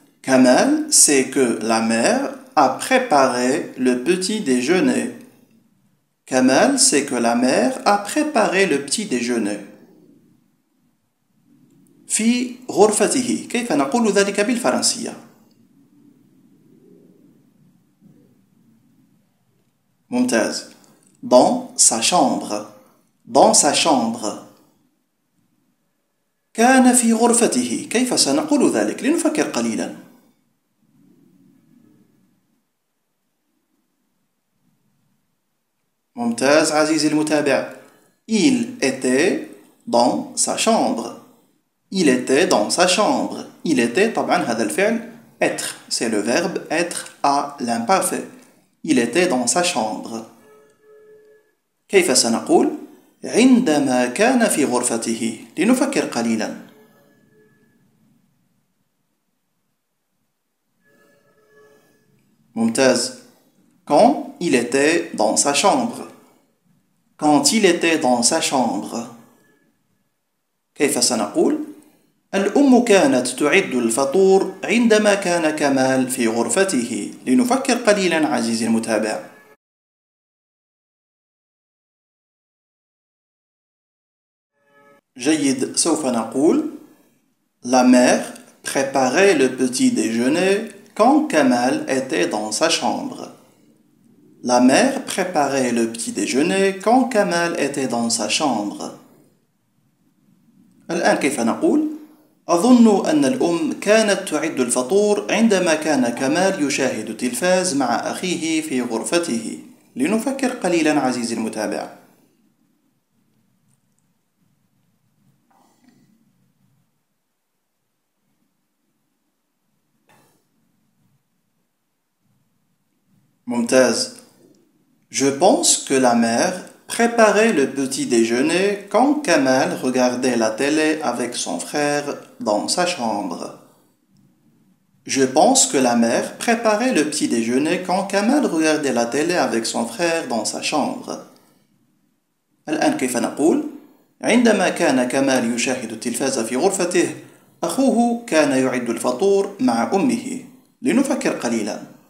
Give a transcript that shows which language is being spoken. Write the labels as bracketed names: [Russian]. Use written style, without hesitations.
[French] كمال sait que la mère a préparé le petit déjeuner. Kamal sait que la mère a préparé le petit déjeuner. [Arabic] في غرفته. كيف نقول ذلك بالفرنسية؟ ممتاز. [French] Dans sa chambre. Dans sa chambre. [Arabic] كان في غرفته. كيف سنقول ذلك؟ لنفكر قليلا. ممتاز عزيزي المتابع. [French] Il était dans sa chambre. Il était dans sa chambre. Il était, [Arabic] طبعا هذا الفعل être. [French] C'est le verbe être à l'imparfait. Il était dans sa chambre. [Arabic] كيف سنقول؟ عندما كان في غرفته. لنفكر قليلا. ممتاز. [French] Quand il était dans sa chambre. Quand il était dans sa chambre. [Arabic] كيف سنقول؟ الأم كانت تعد الفطور عندما كان كمال في غرفته. لنفكر قليلا عزيزي المتابع. جيد، سوف نقول [French] La mère préparait le petit déjeuner quand Kamal était dans sa chambre. La mère préparait le petit déjeuner quand Kamal était dans sa chambre. [Arabic] الآن كيف نقول؟ أظن أن الأم كانت تعد الفطور عندما كان كمال يشاهد التلفاز مع أخيه في غرفته. لنفكر قليلا عزيزي المتابع. ممتاز. [French] Je pense que la mère préparait le petit déjeuner quand Kamal regardait la télé avec son frère dans sa chambre. Je pense que la mère préparait le petit déjeuner quand Kamal regardait la télé avec son frère dans sa chambre. [Arabic] الآن كيف نقول؟ عندما كان كمال يشاهد التلفاز في غرفته، أخوه كان يعد الفطور مع أمه. لنفكر قليلا.